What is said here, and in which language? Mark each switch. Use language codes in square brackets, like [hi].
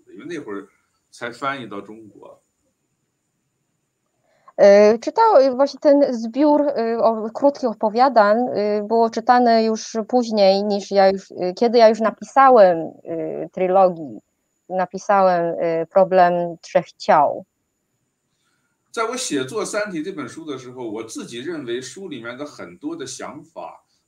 [zh] 是我在写完我这部《三体》这本小说之后才看到他那本书的，因为那会儿才翻译到中国。 [pl] Czytał właśnie ten zbiór krótkich opowiadań było czytane już później niż ja już, kiedy ja już napisałem trylogii, napisałem Problem Trzech Ciał. [zh] 在我写作《三体》这本书的时候，我自己认为书里面的很多的想法。